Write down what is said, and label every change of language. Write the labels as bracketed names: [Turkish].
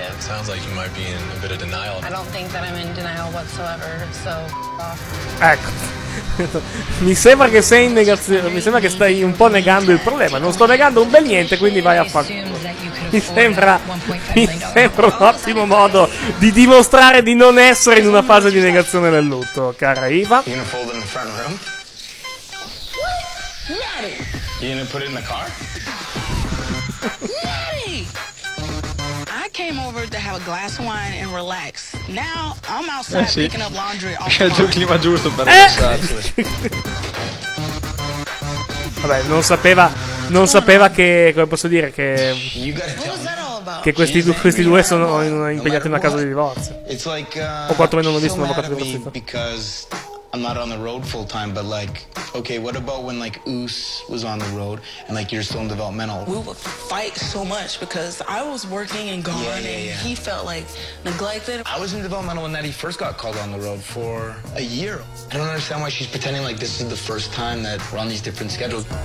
[English] Sounds like you might be in a bit of denial. I don't think that I'm in denial whatsoever, so [Italian] ecco. Mi sembra che sei in negazione, mi sembra che stai un po' negando il problema. Non sto negando un bel niente, quindi vai a fare. Mi sembra un ottimo modo di dimostrare di non essere in una fase di negazione del lutto, cara Eva. [English] You gonna put it in the car? I came over to have a glass of wine and relax. Now I'm outside [Italian] sì. [English] Picking up laundry. [Italian] C'è il clima giusto per Vabbè, non sapeva, non sapeva che, come posso dire, che questi due sono impegnati in una causa di divorzio. [English] It's like, [Italian] o quantomeno hanno visto un avvocato di divorzio. [English] I'm not on the road full time, but like, okay, what about when like Oos was on the road and like you're still in developmental? We would fight so much because I was working and gone, yeah. He felt like neglected. I was in developmental when Nettie first got called on the road for a year. I don't understand why she's pretending like this is the first time that we're on these different schedules.